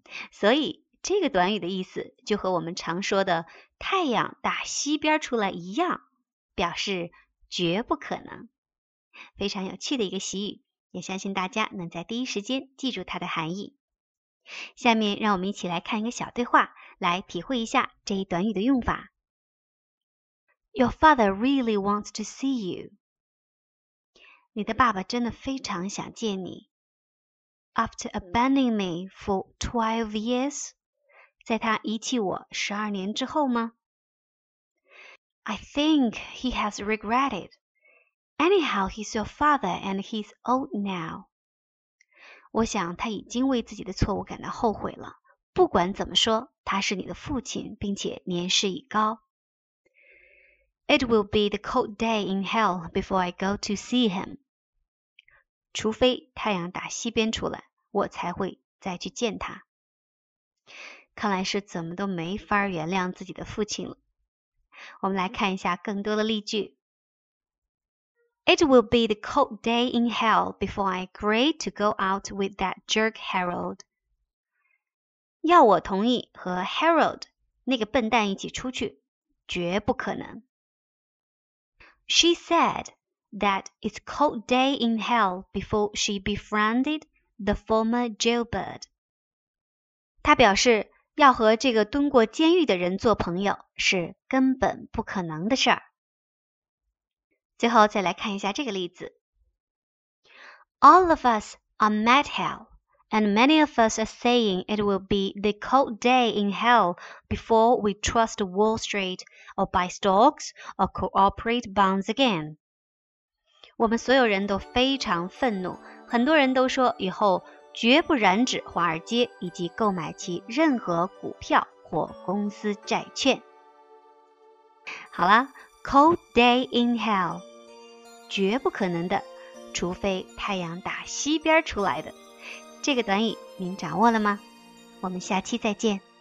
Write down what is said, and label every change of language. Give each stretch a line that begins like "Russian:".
Chinese: 所以这个短语的意思就和我们常说的太阳打西边出来一样，表示绝不可能。非常有趣的一个习语，也相信大家能在第一时间记住它的含义。下面让我们一起来看一个小对话，来体会一下这一短语的用法。
English: Your father really wants to see you.
Chinese: 你的爸爸真的非常想见你。
English: After abandoning me for 12 years,
Chinese: 在他遗弃我12年之后吗？
English: I think he has regretted. Anyhow, he's your father and he's old now.
Chinese: 我想他已经为自己的错误感到后悔了。不管怎么说，他是你的父亲，并且年事已高。
English: It will be the cold day in hell before I go to see him.
Chinese: 除非太阳打西边出来，我才会再去见他。看来是怎么都没法原谅自己的父亲了。我们来看一下更多的例句。
English: It will be the cold day in hell before I agree to go out with that jerk Harold.
Chinese: 要我同意和 Harold 那个笨蛋一起出去，绝不可能。
English: She said that it's cold day in hell before she befriended the former jailbird.
Chinese: 她表示要和这个蹲过监狱的人做朋友是根本不可能的事儿。最后再来看一下这个例子。
English: All of us are mad hell, and many of us are saying it will be the cold day in hell before we trust Wall Street, or buy stocks, or cooperate bonds again.
Chinese: 我们所有人都非常愤怒，很多人都说以后绝不染指华尔街以及购买其任何股票或公司债券。好了，
English: Cold day in hell，
Chinese: 绝不可能的，除非太阳打西边出来的。这个短语您掌握了吗？我们下期再见。